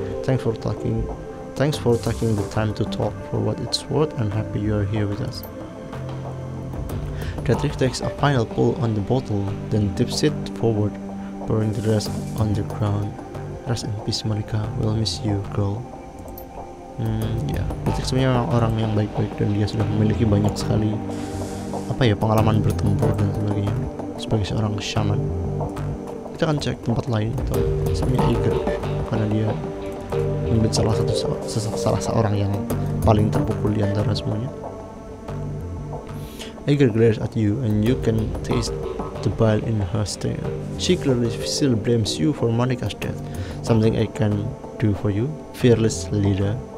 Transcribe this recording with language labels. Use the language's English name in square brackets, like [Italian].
[English] Thanks for taking the time to talk. For what it's worth, I'm happy you're here with us. Dredrick takes a final pull on the bottle, then dips it forward, pouring the rest on the ground. Rest in peace, Monica. We'll miss you, girl. [Indonesian] Dredrick sebenarnya memang orang yang baik-baik, dan dia sudah memiliki banyak sekali apa ya pengalaman bertempur dan sebagainya sebagai seorang shaman. Kita akan cek tempat lain atau sebenarnya Eager, karena dia mungkin salah seorang yang paling terpukul di antara semuanya. [English] Eager glares at you, and you can taste the bile in her stare. She clearly still blames you for Monica's death. Something I can do for you, fearless leader.